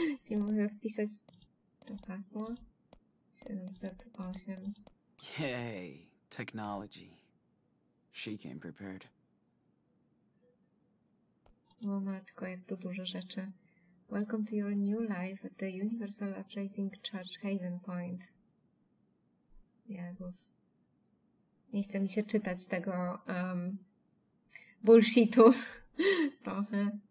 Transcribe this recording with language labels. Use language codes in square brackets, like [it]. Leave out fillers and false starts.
[pl] Nie mogę wpisać to hasło. 708. [en] Yay, technology. She came prepared. [pl] O matko, jak to dużo rzeczy. [en] Welcome to your new life at the Universal Uprising Church Haven Point. [pl] Jezus. Nie chce mi się czytać tego bullshitu trochę.